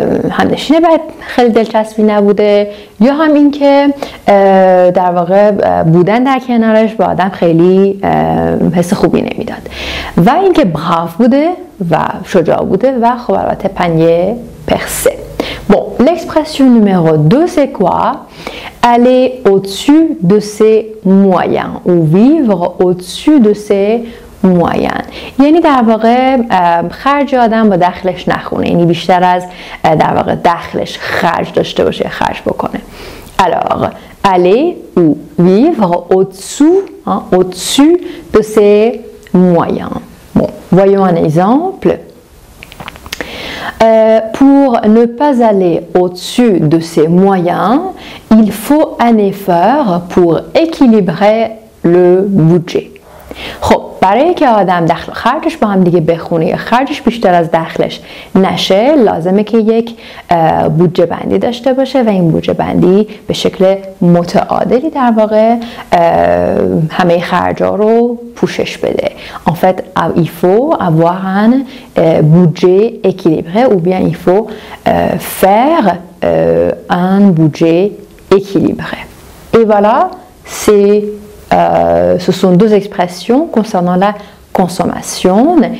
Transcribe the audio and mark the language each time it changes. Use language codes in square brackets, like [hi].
[fa] همنشینه باید خیلی دلچسبی نبوده یا هم این که در واقع بودن در کنارش با آدم خیلی حس خوبی نمیداد و این که براف بوده و شجاع بوده و خب البته پنیه پرسه [fr] Bon, l'expression numéro 2, c'est quoi? Aller au-dessus de ses moyens ou vivre au-dessus de ses moyens. [fa] یعنی در واقع خرج آدم با دخلش نخونه. یعنی بیشتر از در واقع دخلش خرج داشته باشه، خرج بکنه. [fr] Alors, aller ou vivre au-dessous, hein, au-dessus de ses moyens. Bon, voyons un exemple. Pour ne pas aller au-dessus de ses moyens, il faut un effort pour équilibrer le budget. [fa] خب برای که آدم دخل خرجش با هم دیگه بخونه یا خرجش بیشتر از دخلش نشه لازمه که یک بودجه بندی داشته باشه و این بودجه بندی به شکل متعادلی در واقع همه خرجا رو پوشش بده [fr] en fait il faut avoir un budget équilibré ou bien il faut faire un budget équilibré et voilà c'est ce sont deux expressions concernant la consommation.